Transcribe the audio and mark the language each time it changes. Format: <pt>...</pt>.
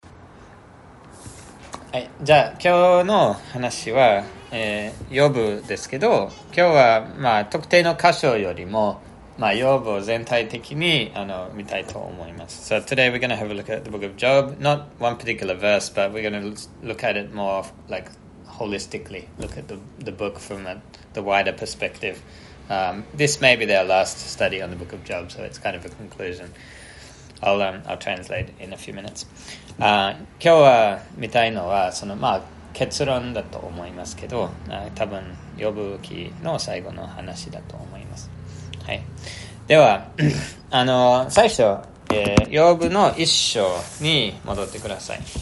<ja>はい、じゃあ今日の話は、ヨブですけど、今日は、まあ、特定の箇所よりも、まあ、ヨブを全体的に見たいと思います。</ja> <en>So today we're going to have a look at the book of Job, not one particular verse, but we're going to look at it more like holistically, look at the book from the wider perspective. This may be their last study on the book of Job, so it's kind of a conclusion. I'll translate in a few minutes.</en> <ja>今日は見たいのはその、まあ、結論だと思いますけど、多分ヨブ記の最後の話だと思います。はい、では最初、ヨブの一章に戻ってください。</ja>